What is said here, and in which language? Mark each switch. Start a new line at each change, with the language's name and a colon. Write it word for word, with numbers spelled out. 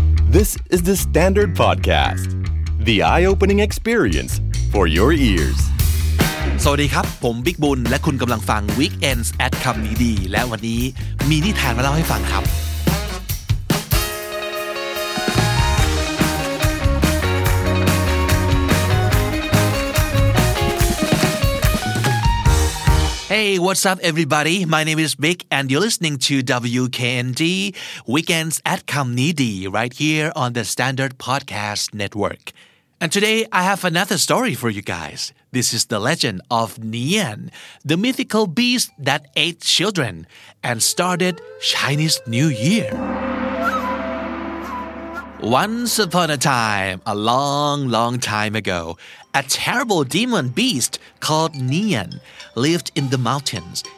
English: This is the Standard Podcast, the eye-opening experience for your ears.
Thai: สวัสดีครับผมบิ๊กบุญและคุณกำลังฟัง Weekends at คำนี้ดีและวันนี้มีนิทานมาเล่าให้ฟังครับ
English: Hey, what's up everybody? My name is Vic and you're listening to ดับเบิลยู เค เอ็น ดี Weekends at คำนี้ดี right here on the Standard Podcast Network. And today I have another story for you guys. This is the legend of Nian, the mythical beast that ate children and started Chinese New Year. Once upon a time, a long, long time ago, a terrible demon beast called Nian lived in the mountains.